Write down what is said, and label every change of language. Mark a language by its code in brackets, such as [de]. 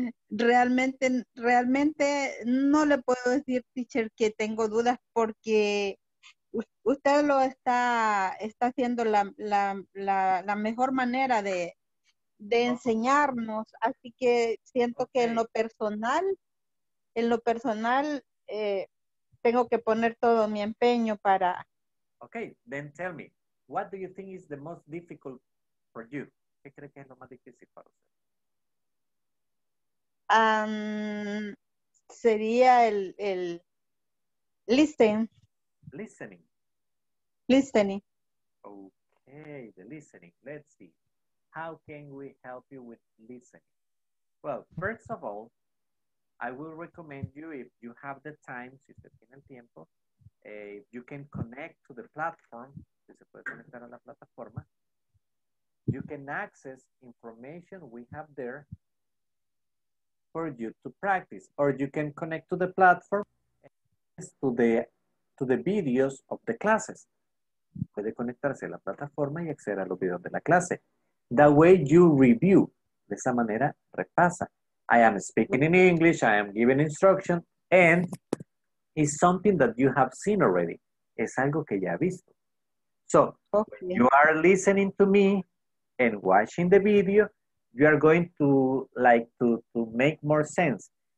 [es] Realmente no le puedo decir, teacher, que tengo dudas porque usted lo está haciendo la mejor manera de enseñarnos, así que siento que en lo personal, tengo que poner todo mi empeño para... [en] Okay, then tell me, what do you think is the most difficult for you? [es] ¿Qué cree que es lo más difícil para usted? Sería el [en] Listening. listening. Okay, the listening. Let's see. How can we help you with listening? Well, first of all, I will recommend you, if you have the time, [es] si usted tiene el tiempo, [en] you can connect to the platform, [es] si se puede conectar a la plataforma. [en] You can access information we have there for you to practice, or you can connect to the platform to the videos of the classes. [es] Puede conectarse a la plataforma y acceder a los videos de la clase. [en] That way you review. [es] De esa manera, repasa. [en] I am speaking in English, I am giving instruction, and it's something that you have seen already. [es] Es algo que ya ha visto. [en] So, when you are listening to me and watching the video, you are going to, like, to make more sense.